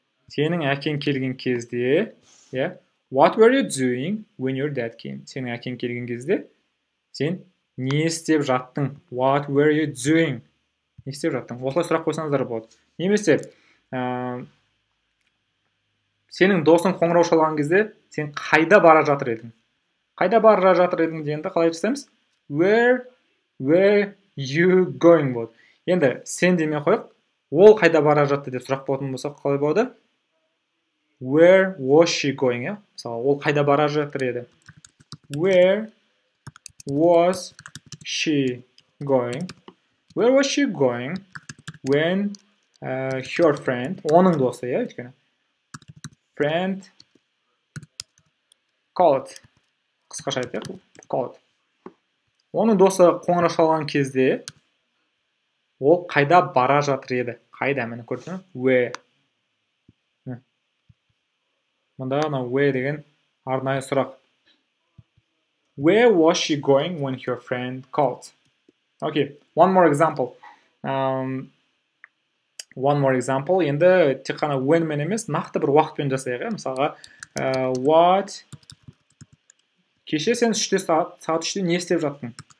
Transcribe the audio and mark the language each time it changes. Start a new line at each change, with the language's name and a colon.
Kazakh: Сенің әкең келген кезде,
English: What were you doing when your dad came?
Kazakh: Сенің әкең келген кезде сен не істеп жаттың?
English: What were you doing?
Kazakh: Не істеп жаттың? Осылай сұрақ қойсаңыздар болады. Немесе, сенің досың қоңырау шалған кезде сен қайда бара жатыр едің? Қайда бара жатыр едің дегенді қалай жасаймыз?
English: Where were you going?
Kazakh: Енді сен демей қойық, ол қайда бара жатты деп сұрақ болатын болса қалай болады?
English: Where was she going?
Kazakh: Мысалы, ол қайда бара жатыр еді?
English: Where was she going when her friend,
Kazakh: оның досы, өйткені,
English: friend called.
Kazakh: Қысқаша айтайық, called. Оның досы қоңырау шалған кезде, ол қайда бара жатыр еді? Қайда, мені көрдің? Where. Мұнда анау where деген арнайы сұрақ.
English: Where was she going when her friend called? Okay, one more example.
Kazakh: Енді тек қана when мен емес, нақты бір уақытпен жасайық. Мысалға, кеше сен 3 сағат 3-те не істеп жаттың?